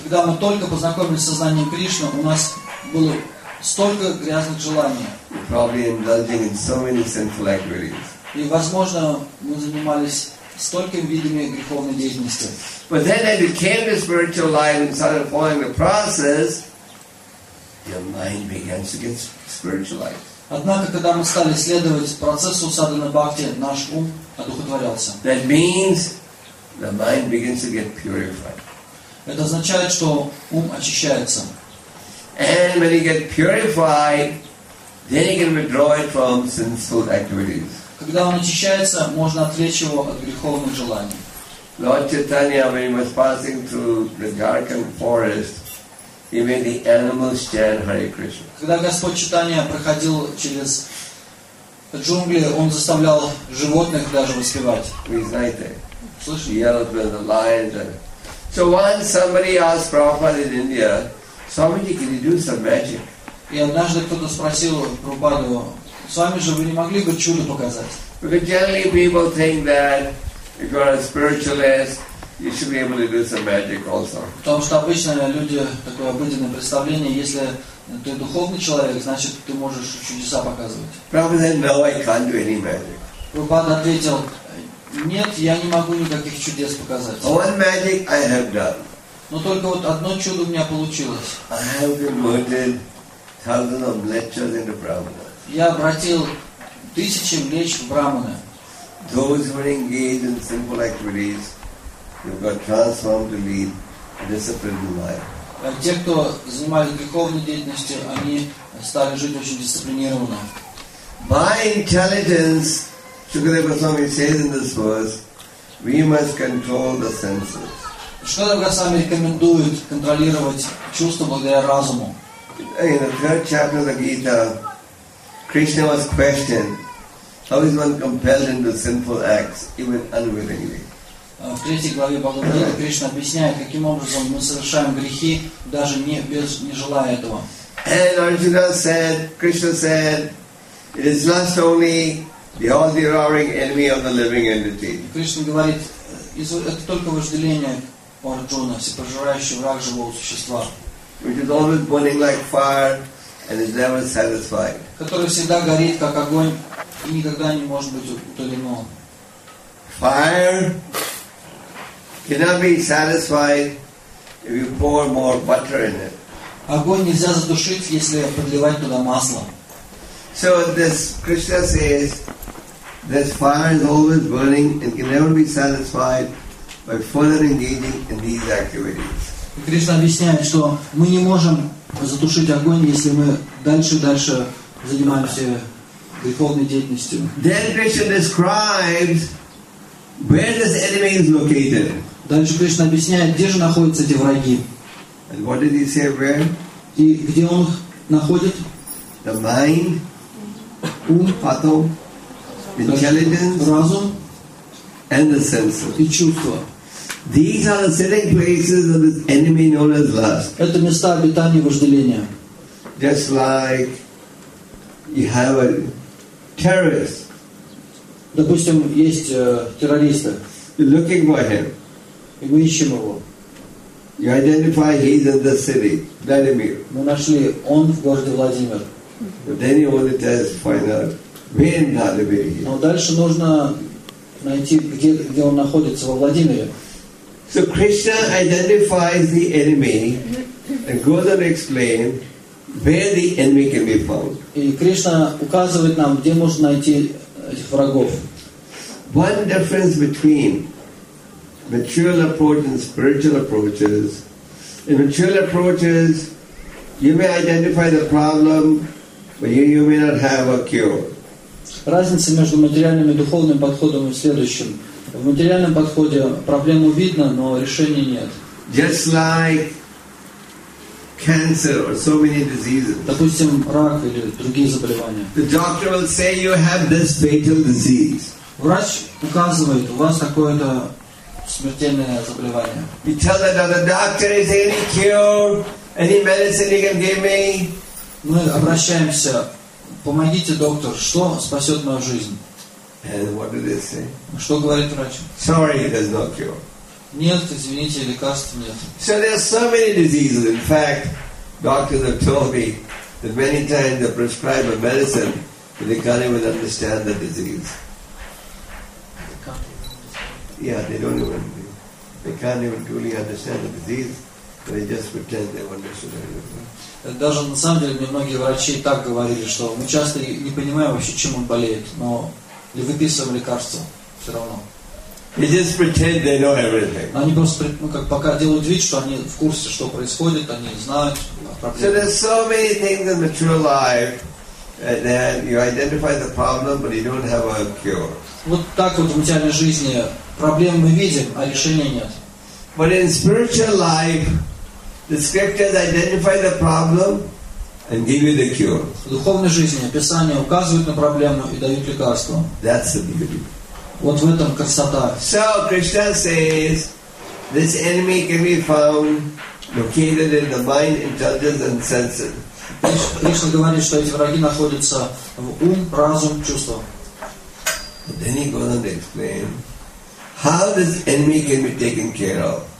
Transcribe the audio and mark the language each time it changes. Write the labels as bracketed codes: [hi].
[ru] Когда мы только познакомились с сознанием Кришны, у нас было столько грязных желаний. [en] You're probably indulging in so many sinful activities. [ru] И, возможно, мы занимались столькими видами греховной деятельности. [en] But then as you came to spiritual life and started following the process, your mind begins to get spiritualized. [ru] Однако, когда мы стали следовать процессу садхана-бхакти, наш ум одухотворялся. [en] That means the mind begins to get purified. [ru] Это означает, что ум очищается. [en] And when you get purified, then you can withdraw it from sinful activities. [ru] Когда он очищается, можно отвлечь его от греховных желаний. [en] Lord Chaitanya, when he was passing through the Jharkhand forest, he made the animals chant Hare Krishna. [ru] Когда Господь Читания проходил через джунгли, он заставлял животных даже воспевать. Вы знаете? Слышите? [en] Yelled with the lions. So once somebody asked Prabhupada in India, Swamiji, can you do some magic? [ru] И однажды кто-то спросил Прабхупаду, с вами же вы не могли бы чудо показать? [en] Because generally people think that if you are a spiritualist, you should be able to do some magic also. [ru] Потому что обычно люди такое обыденное представление, если ты духовный человек, значит ты можешь чудеса показывать. [en] Prabhupada said, no, I can't do any magic. [ru] Прабхупада ответил, нет, я не могу никаких чудес показать. [en] But one magic I have done. [ru] Но только вот одно чудо у меня получилось. [en] I have converted thousands of lectures into Prabhupada. [ru] Я обратил тысячи млеч в брахманы. [en] Those who are engaged in simple activities, you've got transformed to lead a disciplined life. [ru] Те, кто занимались греховной деятельностью, они стали жить очень дисциплинированно. [en] By intelligence, Shukadeva Goswami says in this verse, we must control the senses. [ru] Shukadeva Goswami рекомендует контролировать чувства благодаря разуму. [en] In the third chapter of the Gita, Krishna was questioned, how is one compelled into sinful acts, even unwillingly? [ru] В третьей главе Бхагавад-гиты Кришна объясняет, каким образом мы совершаем грехи, даже не без не желая этого. [en] And Arjuna said, Krishna said, it is not only the all-devouring enemy of the living entity. [ru] Кришна говорит, это только вожделение Арджуна, всепожирающий враг живого существа. [en] Which is always burning like fire and is never satisfied. [ru] Который всегда горит как огонь и никогда не может быть утолено. [en] Fire cannot be satisfied if you pour more butter in it. [ru] Огонь нельзя затушить, если подливать туда масло. [en] So this Krishna says this fire is always burning and can never be satisfied by further engaging in these activities. [ru] Кришна объясняет, что мы не можем затушить огонь, если мы дальше и дальше занимаемся греховной деятельностью. [en] Then Krishna describes where this enemy is located. [ru] Дальше Кришна объясняет, где же находятся эти враги. [en] And what did he say where? [ru] И где он их находит? [en] The mind, [ru] ум, потом, [en] intelligence, [ru] разум, [en] and the senses. [ru] И чувства. [en] These are the sitting places of this enemy known as lust. [ru] Это места обитания вожделения. [en] Just like you have a terrorist. [ru] Допустим, есть террориста. [en] You're looking for him. [ru] И мы ищем его. [en] You identify he's in the city, Vladimir. [ru] Мы нашли, он в городе Владимир. [en] But then you want to test, find out where in Vladimir he is. [ru] Но дальше нужно найти, где он находится во Владимире. [en] So Krishna identifies the enemy and goes and explains where the enemy can be found. [ru] И Кришна указывает нам, где можно найти этих врагов. [en] One difference between material approach and spiritual approaches. In material approaches, you may identify the problem, but you may not have a cure. [ru] Разница между материальным и духовным подходом в следующем. В материальном подходе проблему видно, но решения нет. [en] Just like cancer or so many diseases. [ru] Допустим, рак или другие заболевания. [en] The doctor will say you have this fatal disease. [ru] Врач указывает, у вас такое-то смертельное заболевание. [en] You tell that the doctor, is there any cure, any medicine you can give me? [ru] Мы обращаемся, помогите, доктор, что спасет мою жизнь? [en] And what do they say? [ru] Что говорит врач? [en] Sorry, there's no cure. [ru] Нет, извините, лекарств нет. [en] So there are so many diseases. In fact, doctors have told me that many times they prescribe a medicine, but they can't even understand the disease. Yeah, they can't even truly understand the disease, but they just pretend they understand everything. [ru] Даже на самом деле мне многие врачи так говорили, что мы часто не понимаем вообще, чем он болеет, но и выписываем лекарства все равно. [en] They just pretend they know everything. [ru] Они просто, ну, как пока делают вид, что они в курсе, что происходит, они знают проблемы. [en] So there's so many things in material life that you identify the problem, but you don't have a cure. [ru] Вот так вот в материальной жизни проблемы мы видим, а решения нет. [en] But in spiritual life, the scriptures identify the problem and give you the cure. [ru] В духовной жизни Писание указывает на проблему и дает лекарство. [en] That's the beauty. [ru] Вот в этом красота. [en] So Krishna says, this enemy can be found located in the mind, intelligence, and senses. [ru] Кришна говорит, что эти враги находятся в ум, разум, чувства. [en] And then he goes on to explain how this enemy can be taken care of.